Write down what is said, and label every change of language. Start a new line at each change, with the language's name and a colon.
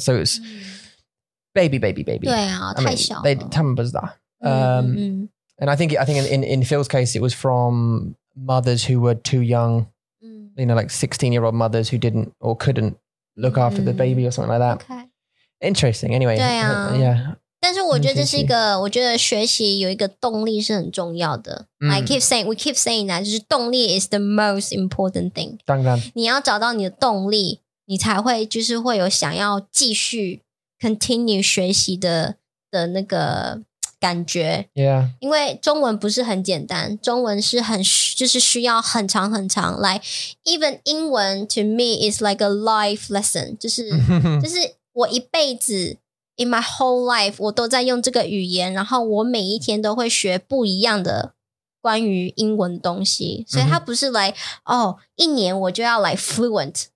English: So it's、嗯、baby.
Chinese: 对啊
English: I mean,
Chinese: 太小了他们不知道
English: And I think in Phil's case, it was from... mothers who were too young、 mm. you know like 16 year old mothers who didn't or couldn't look after、mm. the baby or something like that、 okay. interesting anyway、啊、 yeah
Chinese: 但是我觉得这是一个我觉得学习有一个动力是很重要的、 mm.
English: I keep saying we keep saying that
Chinese: 就是动力
English: is the most important thing
Chinese: 当然你要找到你的动力你才会就是会有想要继续 continue 学习的那个感觉
English: yeah
Chinese: 因为中文不是很简单中文是很就是需要很长很长
English: like even
Chinese: 英文
English: to me is like a life lesson
Chinese: 就是我一辈子
English: in my whole life
Chinese: 我都在用这个语言然后我每一天都会学不一样的关于英文东西所以它不是 like、mm-hmm. 哦一年我就要
English: like fluent